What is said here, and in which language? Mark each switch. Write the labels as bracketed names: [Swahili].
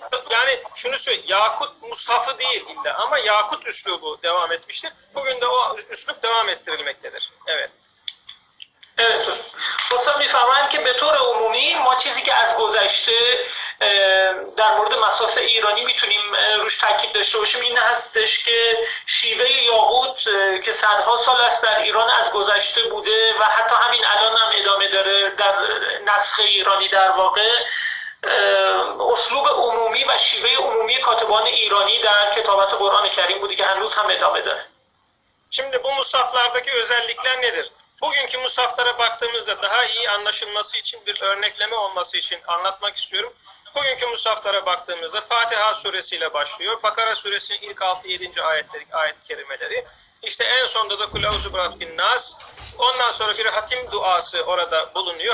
[Turkish] Yani şunu söyleyeyim, Yakut Mushaf'ı değil illa ama Yakut üslubu devam etmiştir. Bugün de o üslup devam ettirilmektedir. Evet. Evet. [Persian] Hocam میفهمند که به طور عمومی ما چیزی که از گذشته در مورد مساس ایرانی میتونیم روش تاکید داشته باشیم این هستش که شیوه یاقوت که صدها سال است در ایران از گذشته بوده و حتی همین الان هم ادامه داره در نسخ ایرانی در واقع اسلوب عمومی و شیوه عمومی کاتبان ایرانی در کتابت قرآن کریم بوده که هنوز هم ادامه داره. [Turkish] Şimdi bu mushaflardaki özellikler nedir? Bugünkü musaflara baktığımızda daha iyi anlaşılması için bir örnekleme olması için anlatmak istiyorum. Bugünkü musaflara baktığımızda Fatiha suresiyle başlıyor. Bakara suresinin ilk 6-7. ayet-i kerimeleri. İşte en sonda da Kulavuzu Bırak Bin Nas. Ondan sonra bir hatim duası orada bulunuyor.